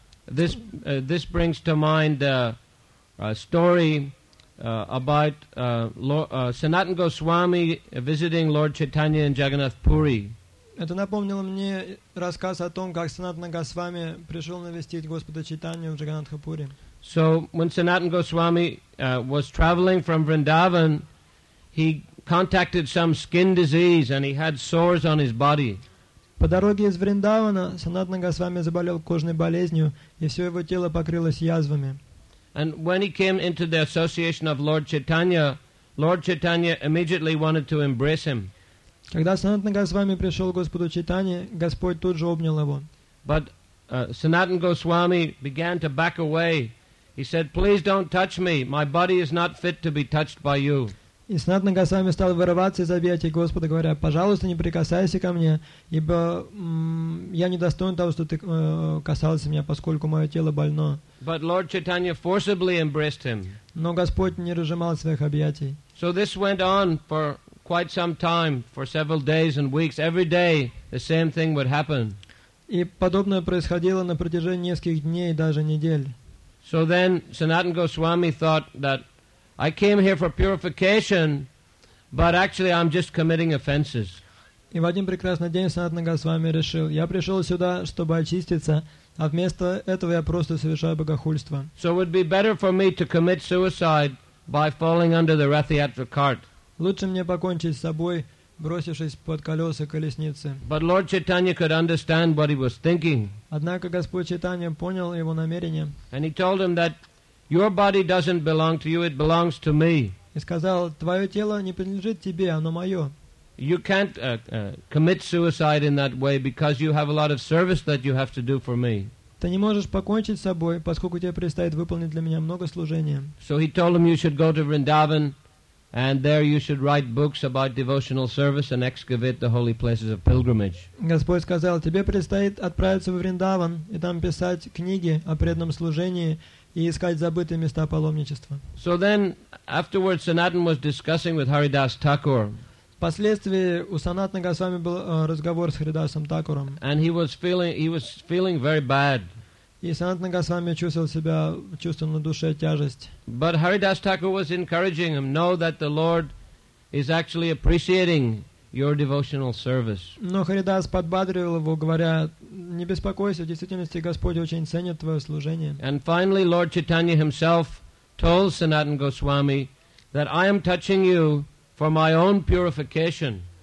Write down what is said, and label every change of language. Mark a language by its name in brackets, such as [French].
[English] This brings to mind a story about Sanatana Goswami visiting Lord Chaitanya in Jagannath Puri. [Russian] Это напомнило мне рассказ о том, как Санатана Госвами пришел навестить Господа Чайтанью в Джаганатхапуре. [English] So when Sanatana Goswami was traveling from Vrindavan, he contacted some skin disease and he had sores on his body. [Russian] По дороге из Вриндавана Санатана Госвами заболел кожной болезнью, и все его тело покрылось язвами. [English] And when he came into the association of Lord Chaitanya immediately wanted to embrace him. [Russian] Когда Санатана Госвами пришел к Господу Чайтанье, Господь тут же обнял его. [English] But Sanatana Goswami began to back away. He said, "Please don't touch me. My body is not fit to be touched by you." [Russian] И Санатана Госвами стал вырываться из объятий Господа, говоря, «Пожалуйста, не прикасайся ко мне, ибо я не достоин того, что ты касался меня, поскольку мое тело больно». [English] But Lord Chaitanya forcibly embraced him. [Russian] Но Господь не разжимал своих объятий. [English] So this went on for quite some time, for several days and weeks. Every day the same thing would happen. [Russian] И подобное происходило на протяжении нескольких дней, даже недель. [English] So then Sanatana Goswami thought that I came here for purification, but actually I'm just committing offenses. [Russian] И в один прекрасный день Санатана Госвами решил, я пришел сюда, чтобы очиститься, а вместо этого я просто совершаю богохульство. [English] So it would be better for me to commit suicide by falling under the Rathyatra cart. [Russian] Лучше мне покончить с собой, бросившись под колеса колесницы. [English] But Lord Chaitanya could understand what he was thinking. [Russian] Однако Господь Чайтанья понял его намерение. [English] And he told him that your body doesn't belong to you, it belongs to me. [Russian] И сказал, твое тело не принадлежит тебе, оно мое. [English] You can't commit suicide in that way because you have a lot of service that you have to do for me. [Russian] Ты не можешь покончить с собой, поскольку тебе предстоит выполнить для меня много служения. [English] So he told him you should go to Vrindavan And there you should write books about devotional service and excavate the holy places of pilgrimage. [Russian] Господь сказал, тебе предстоит отправиться во Вриндаван и там писать книги о преданном служении и искать забытые места паломничества. [English] So then, afterwards, Sanatan was discussing with Haridas Thakur. [Russian] Впоследствии у Санатана Госвами был разговор с Харидасом Такуром. [English] And he was feeling very bad. [Russian] И Санатана Госвами чувствовал себя, чувствовал на душе тяжесть. [English] But Haridas Thakur was encouraging him, know that the Lord is actually appreciating your devotional service. [Russian] Но Харидас подбадривал его, говоря, не беспокойся, в действительности Господь очень ценит твое служение. [English] And finally, Lord Chaitanya himself told Sanatana Goswami that I am touching you for my own purification.